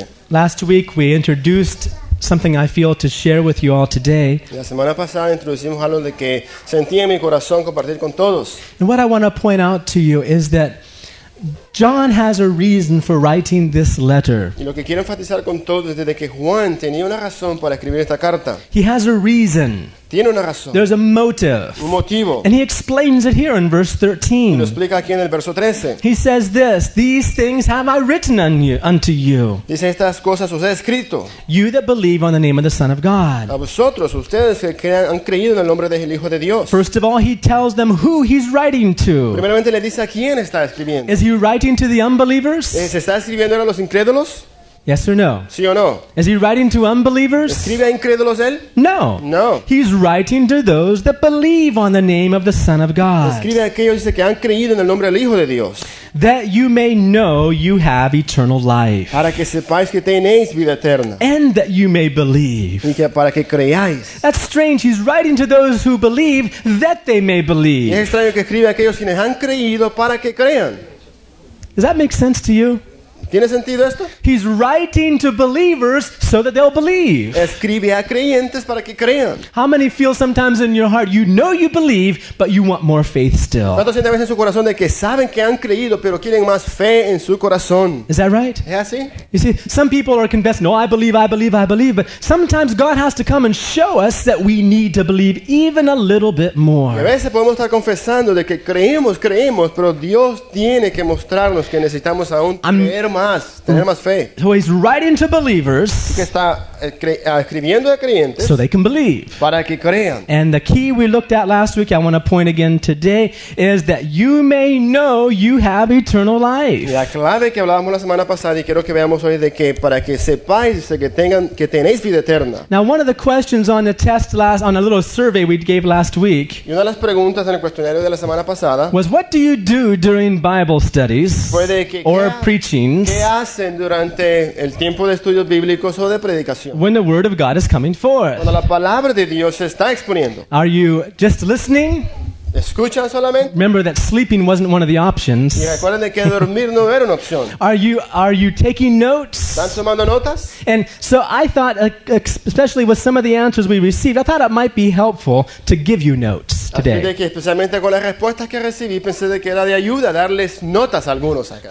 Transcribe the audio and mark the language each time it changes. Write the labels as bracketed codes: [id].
[en] Last week we introduced something I feel to share with you all today. [es] La semana pasada introducimos algo de que sentí en mi corazón compartir con todos. [en] And what I want to point out to you is that John has a reason for writing this letter. [es] Y lo que quiero enfatizar con todos es de que Juan tenía una razón para escribir esta carta. [en] He has a reason. [es] Tiene una razón. [en] There's a motive. [es] Un motivo. [en] And he explains it here in verse 13. [es] Y lo explica aquí en el verso 13. [en] He says this, "These things have I written unto you." [es] Dice, estas cosas os he escrito. [en] You that believe on the name of the Son of God. [es] A vosotros, ustedes que han creído en el nombre del Hijo de Dios. [en] First of all, he tells them who he's writing to. [es] Primeramente le dice a quién está escribiendo. [en] Is he writing to the unbelievers? [es] ¿Se está escribiendo a los incrédulos? [en] Yes or no? [es] Sí o no? [en] Is he writing to unbelievers? [es] ¿Escribe a incrédulos él? [en] No. [es] No. [en] He's writing to those that believe on the name of the Son of God. [es] Escribe a aquellos que han creído en el nombre del Hijo de Dios. [en] That you may know you have eternal life. [es] Para que sepáis que tenéis vida eterna. [en] And that you may believe. [es] Y que para que creáis. [en] That's strange. He's writing to those who believe that they may believe. [es] Y es extraño que escribe a aquellos quienes han creído para que crean. [en] Does that make sense to you? [es] ¿Tiene sentido esto? [en] He's writing to believers so that they'll believe. [es] Escribe a creyentes para que crean. [en] How many feel sometimes in your heart you know you believe but you want more faith still? [es] ¿Cuántos sienten a veces en su corazón de que saben que han creído pero quieren más fe en su corazón? [en] Is that right? [es] ¿Es así? [en] You see, some people are convinced, no, I believe, but sometimes God has to come and show us that we need to believe even a little bit more. [es] Y a veces podemos estar confesando de que creemos, pero Dios tiene que mostrarnos que necesitamos aún creer. Más, [en] so he's writing to believers [es] que está escribiendo a creyentes [en] so they can believe. [es] Para que crean. [en] And the key we looked at last week, I want to point again today, is that you may know you have eternal life. [es] La clave que hablábamos la semana pasada y quiero que veamos hoy de que para que sepáis que tenéis vida eterna. [en] Now one of the questions on the test last, on a little survey we gave last week, [es] y una de las preguntas en el cuestionario de la semana pasada, [en] was what do you do during Bible studies or preaching? [es] ¿Qué hacen durante el tiempo de estudios bíblicos o de predicación? [en] When the word of God is coming forth. [es] Cuando la palabra de Dios se está exponiendo. [en] Are you just listening? [es] ¿Escuchan solamente? [en] Remember that sleeping wasn't one of the options. [es] Y recuerden que dormir no era una opción. [en] Are you taking notes? [es] ¿Están tomando notas? [en] And so I thought, especially with some of the answers we received, I thought it might be helpful to give you notes. Today. [es] Así de que especialmente con las respuestas que recibí pensé de que era de ayuda darles notas a algunos acá.